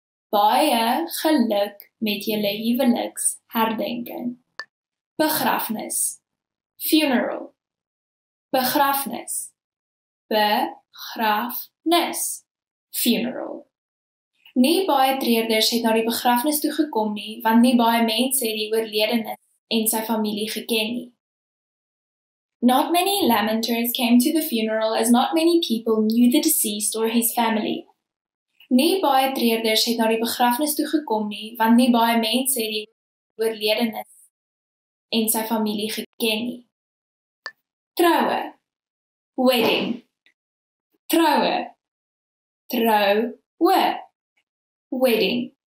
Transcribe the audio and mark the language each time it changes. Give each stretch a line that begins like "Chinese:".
Afrikaans: Baie geluk met julle huweliksherdenking. Begrafnis. Funeral. Begrafnis. Begrafnis. Funeral. Nie baie treurders het na die begrafnis toe gekom nie, want nie baie mense het die oorledene en sy familie geken nie.
English: Not many lamenters came to the funeral as not many people knew the deceased or his family.
Afrikaans: Nie baie treurders het na die begrafnis toe gekom nie, want nie baie mense het die oorledene en sy familie geken nie. Troue. Wedding. Troue. Troue. Wedding.